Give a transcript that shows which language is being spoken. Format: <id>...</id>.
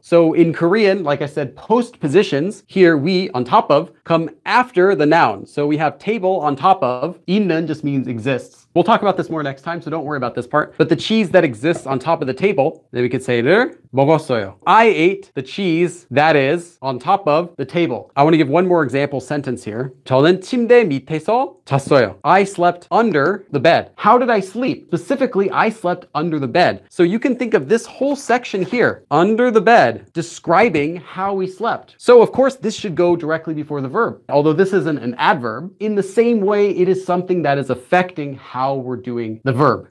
<en>So in Korean, like I said, postpositions, here we on top of, come after the noun. So we have table on top of, 있는 just means exists. We'll talk about this more next time, so don't worry about this part. But the cheese that exists on top of the table, then we could say</en> <ko>를 먹었어요.</ko> <en>I ate the cheese that is on top of the table. I want to give one more example sentence here.</en> <ko>저는 침대 밑에서 잤어요.</ko> <en>I slept under the bed. How did I sleep? Specifically, I slept under the bed. So you can think of this whole section here, under the bed, describing how we slept. So of course, this should go directly before the verb. Although this isn't an adverb, in the same way, it is something that is affecting how we're doing the verb.</en>